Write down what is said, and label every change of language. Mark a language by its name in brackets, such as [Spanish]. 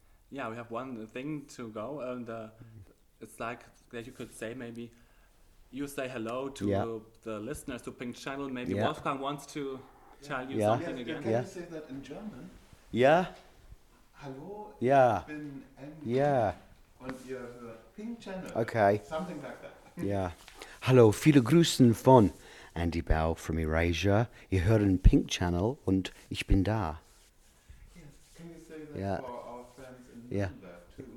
[English] Yeah, we have one thing to go, and it's like that you could say maybe you say hello to the listeners to Pink Channel. Maybe Wolfgang wants to tell you something again. Can you say that in German? Yeah. [German] Hallo. Yeah. Und ihr hört Pink Channel. Okay. [English] Something like that. Yeah. [German] Hallo, viele Grüßen von Andy Bell from Erasure. Ihr hören Pink Channel und ich bin da. Yes. [English] Can you say that for our friends in Nürnberg too?